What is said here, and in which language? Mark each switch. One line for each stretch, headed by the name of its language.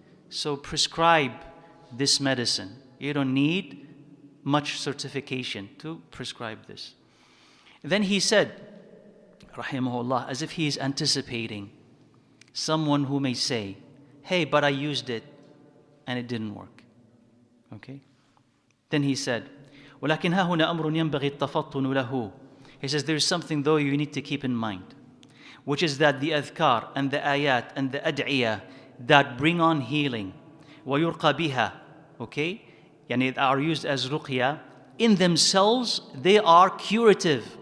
English: So prescribe this medicine. You don't need much certification to prescribe this. Then he said, rahimahullah, as if he is anticipating someone who may say, hey, but I used it and it didn't work. Okay? Then he said,
Arabic: ولكن هنا أمر ينبغي التفطن له.
English: He says, there is something though you need to keep in mind, which is that the adhkar and the ayat and the ad'iyah that bring on healing,
Arabic: ويرقى بها,
English: okay, يعني are used as ruqya, in themselves they are curative.